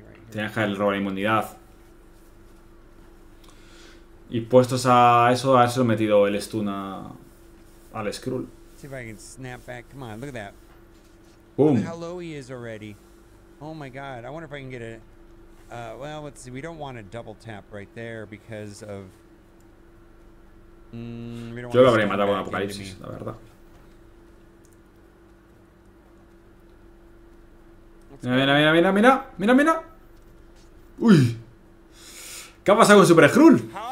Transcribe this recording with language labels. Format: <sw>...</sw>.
<es>Tienes que robar la inmunidad. Y puestos a eso, a eso he metido el stun al Skrull.</es> <en>See if I can snap back. Come on, look at that. Boom. How low he is already. Oh my god, I wonder if I can get a well, let's see. We don't want a double tap right there because of</en> <es>yo lo habría matado con Apocalipsis, la verdad. Mira. ¡Uy! ¿Qué ha pasado con Super Skrull?</es>